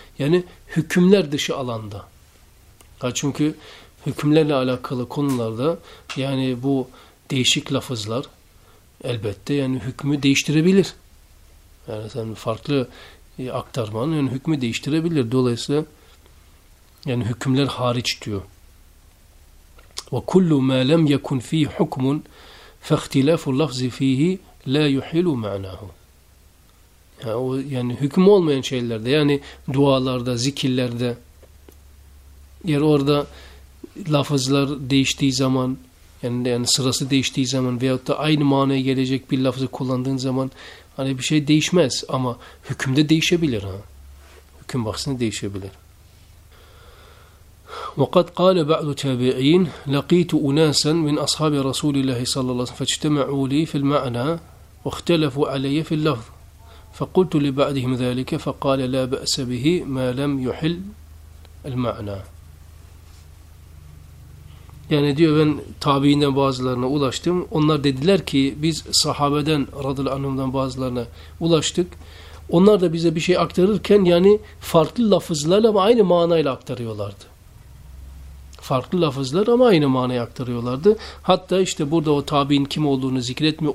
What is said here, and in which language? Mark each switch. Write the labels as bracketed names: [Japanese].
[Turkish] Yani hükümler dışı alanda. Çünkü hükümlerle alakalı konularda yani bu değişik lafızlar elbette yani hükmü değiştirebilir. Yani sen farklı aktarmanın yani hükmü değiştirebilir. Dolayısıyla yani hükümler hariç diyor. [Arabic] وكل ما لم يكن فيه حكم فاختلاف اللفظ فيه لا يحل معناه. [Turkish] Yani hüküm olmayan şeylerde, yani dualarda, zikirlerde, yani orada lafızlar değiştiği zaman, yani sırası değiştiği zaman veyahut da aynı manaya gelecek bir lafızı kullandığın zaman hani bir şey değişmez ama hükümde değişebilir ha. Hüküm bahsinde değişebilir. [Arabic] وقد قال بعض التابعين لقيت أناسا من أصحاب رسول الله صلى الله عليه وسلم فاجتمعوا لي في المعنى واختلفوا علي في اللفظ فقلت لبعضهم ذلك فقال لا بأس به ما لم يحل المعنى. [Turkish] Yani diyor ben tabiinden bazılarına ulaştım. Onlar dediler ki biz sahabeden radıyallahu anhumdan bazılarına ulaştık. Onlar da bize bir şey aktarırken yani farklı lafızlarla ama aynı manayla aktarıyorlardı. Farklı lafızlar ama aynı manayı aktarıyorlardı. Hatta işte burada o tabiin kim olduğunu zikretmiyor.